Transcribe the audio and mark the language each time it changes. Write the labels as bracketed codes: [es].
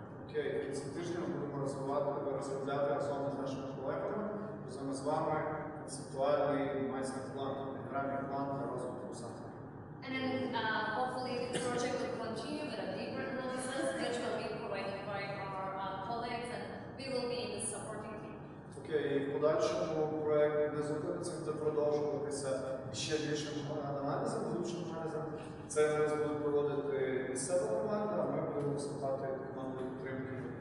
[uk] Окей, в кінці тижня будемо розробляти разом з нашими колегами, разом з вами концептуальний майстер-план, інтегральний план для розвитку саме. [en] And then hopefully the project will continue with a deeper analysis, which will be provided by our colleagues, and we will be in the supporting team. [uk] Окей, в подальшому проект не зупиниться, буде продовжуватися ще більшим аналізом, глибшим аналізом. Це зараз будуть проводити місцева команда, а ми будемо виступати командою підтримки.